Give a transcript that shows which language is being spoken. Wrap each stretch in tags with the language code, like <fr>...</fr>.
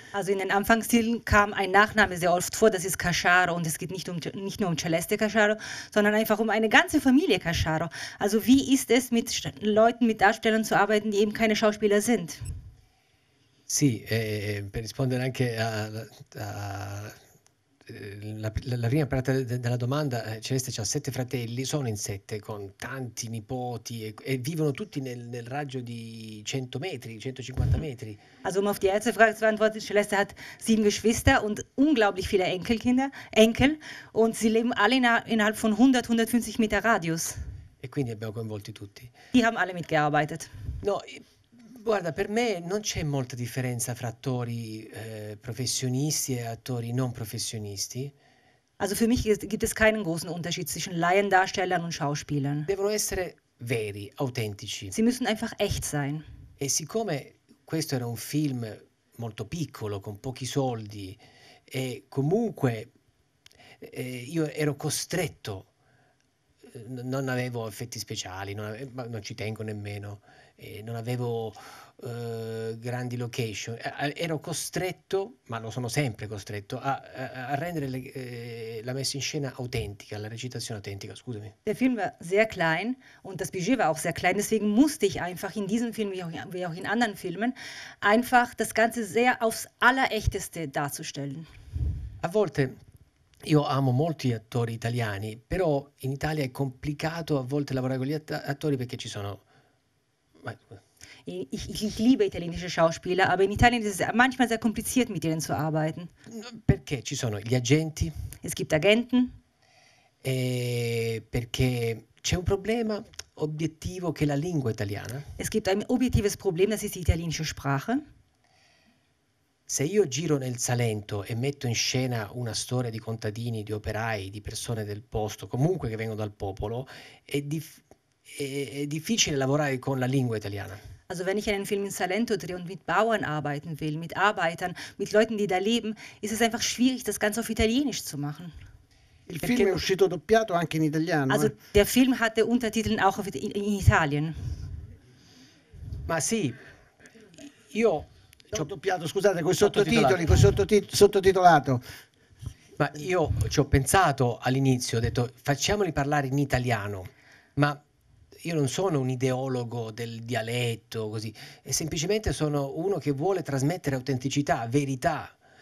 <de>Also in den Anfangszielen kam ein Nachname sehr oft vor, das ist Casciaro, und es geht nicht nur um Celeste Casciaro, sondern einfach um eine ganze Familie Casciaro. Also wie ist es mit Leuten, mit Darstellern zu arbeiten, die eben keine Schauspieler sind?</de> <it>Sì, per rispondere anche alla prima parte della domanda, Celeste ha 7 fratelli, sono in 7 con tanti nipoti e vivono tutti nel raggio di 100 metri, 150 metri.</it> <de>Also um auf die erste Frage zu antworten, Celeste hat 7 Geschwister und unglaublich viele Enkel und sie leben alle innerhalb von 100-150 Meter Radius.</de> <it>E quindi abbiamo coinvolti tutti.</it> <de>Die haben alle mitgearbeitet.</de> <it>No, Guarda, per me non c'è molta differenza fra attori professionisti e attori non professionisti.</it> <de>Also für mich gibt es keinen großen Unterschied zwischen Laiendarstellern und Schauspielern.</de> <it>Devono essere veri, autentici.</it> <de>Sie müssen einfach echt sein.</de> <it>E siccome questo era un film molto piccolo, con pochi soldi, e comunque io ero costretto, non avevo effetti speciali, non ci tengo nemmeno, non avevo grandi location, ero costretto, ma lo sono sempre costretto, a rendere la messa in scena autentica, la recitazione autentica, scusami.</it> <de>Der Film war sehr klein und das Budget war auch sehr klein, deswegen musste ich einfach in diesem Film, wie auch in anderen Filmen, einfach das Ganze sehr aufs Allerechteste darzustellen.</de> <it>A volte io amo molti attori italiani, però in Italia è complicato a volte lavorare con gli attori perché ci sono...</it> <de>Ich liebe italienische Schauspieler, aber in Italien ist es manchmal sehr kompliziert, mit denen zu arbeiten.</de> <it>Perché ci sono gli agenti?</it> <de>Es gibt Agenten.</de> <it>E perché c'è un problema obiettivo che la lingua italiana?</it> <de>Es gibt ein objektives Problem, das ist die italienische Sprache.</de> <it>Se io giro nel Salento e metto in scena una storia di contadini, di operai, di persone del posto, comunque che vengono dal popolo, è difficile lavorare con la lingua italiana.</it> <de>Also wenn ich einen Film in Salento drehe und mit Bauern arbeiten will, mit Arbeitern, mit Leuten, die da leben, ist es einfach schwierig, das Ganze auf Italienisch zu machen.</de> <it>Il film è uscito doppiato anche in italiano.</it> <de>Also der Film hatte Untertitel auch in Italien.</de> <it>Ma sì, io ho doppiato, scusate, con i sottotitoli, con sottotitolato. Ma io ci ho pensato all'inizio, ho detto facciamoli parlare in italiano, ma... Io non sono un ideologo del dialetto, così. E semplicemente sono uno che vuole trasmettere autenticità, verità.</it>